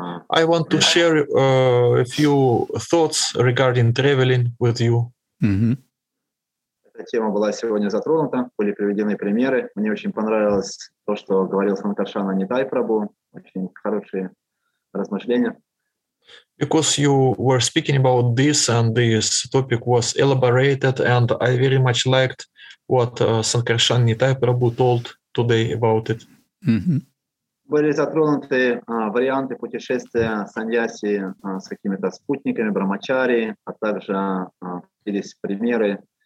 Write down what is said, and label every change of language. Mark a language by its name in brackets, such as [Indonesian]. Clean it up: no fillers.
[English] I want to share a few thoughts regarding traveling with you. Mm-hmm. [Russian] Тема была сегодня затронута, были приведены примеры. Мне очень понравилось то, что говорил Санкаршана Нитай Прабу. Очень хорошие размышления. [English] Because you were speaking about this, and this topic was elaborated, and I very much liked what Санкаршана Нитай Прабу told today about it. Mm-hmm. [Russian] Были затронуты варианты путешествия саньяси с какими-то спутниками, брамачари, а также есть примеры.